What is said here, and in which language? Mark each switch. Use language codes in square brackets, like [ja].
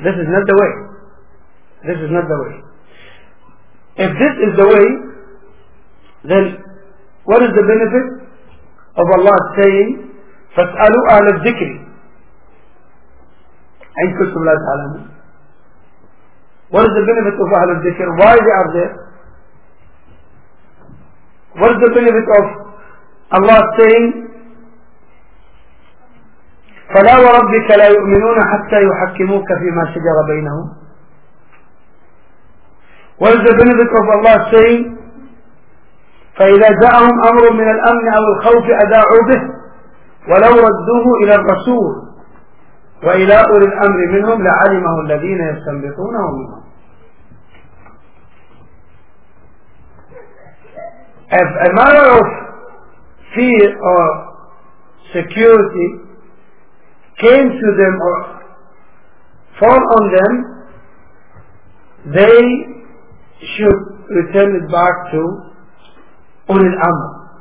[en] This is not the way. If this is the way, then what is the benefit of Allah saying, [ar] فَاسْأَلُوا أَهْلَ الذِّكْرِ إِن كُنْتُمْ لَا تَعْلَمُونَ. [en] What is the benefit of Ahl al-Dhikr? Why they are there? What is the benefit of Allah saying, [ar] فَلَا وَرَبِّكَ لَا يُؤْمِنُونَ حَتَّى يُحَكِّمُوكَ فِي مَا شَجَرَ بَيْنَهُمْ. [en] What is the benefit of Allah saying, [ar] فَإِذَا جَاءَهُمْ أَمْرٌ مِنَ الْأَمْنِ أَوْ الْخَوْفِ أَدَاعُوا بِهِ وَلَوْ رَدُّوهُ إِلَى الرَّسُولِ وَإِلَىٰ أُولِي الْأَمْرِ مِنْهُمْ لَعَلِمَهُ الَّذِينَ يَسْتَنْبِطُونَهُ مِنْهُمْ. [en] If a matter of fear or security came to them or fall on them, they should return it back to أُولِي الْأَمْرِ,